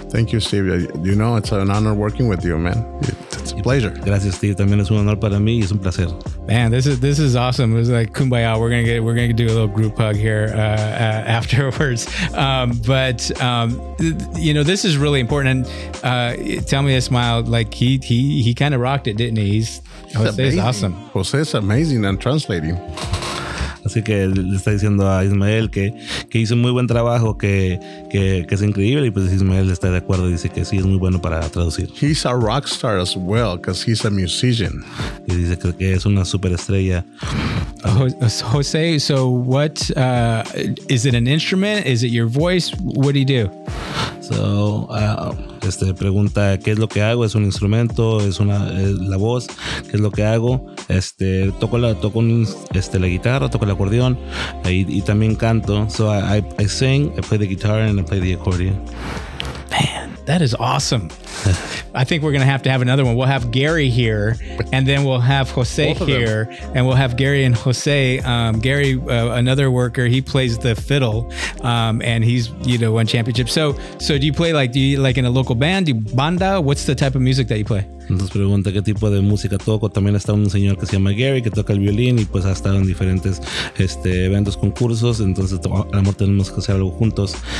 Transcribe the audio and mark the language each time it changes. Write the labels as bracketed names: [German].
[English] Thank you, Steve. You know, it's an honor working with you, man. It's a pleasure. [Spanish] Gracias, Steve. También es un honor para mí y es un placer. [English] Man, this is awesome. It was like kumbaya. We're gonna do a little group hug here afterwards. You know, this is really important. And tell me this, Miles. Like he kind of rocked it, didn't he? Jose's awesome. Jose's amazing and translating. [Spanish] Así que le está diciendo a Ismael que hizo muy buen trabajo, que es increíble, y pues Ismael está de acuerdo y dice que sí, es muy bueno para traducir. [English] He's a rock star as well, because he's a musician. [Spanish] Y dice que es una superestrella. [English] Jose, so what, is it an instrument? Is it your voice? What do you do? [Spanish] So pregunta, ¿qué es lo que hago? ¿Es un instrumento? ¿Es la voz? ¿Qué es lo que hago? Toco la guitarra, toco el acordeón y también canto. [English] So I sing, I play the guitar, and I play the accordion. That is awesome. I think we're going to have another one. We'll have Gary here, and then we'll have Jose here, and we'll have Gary and Jose. Gary, another worker, he plays the fiddle, and he's, you know, won championships. So do you play like in a local band? Do you banda? What's the type of music that you play? [Spanish] Entonces pregunta qué tipo de música toco. También está un señor que se llama Gary que toca el violín y pues ha estado en diferentes eventos, concursos. Entonces a lo mejor tenemos que hacer algo juntos.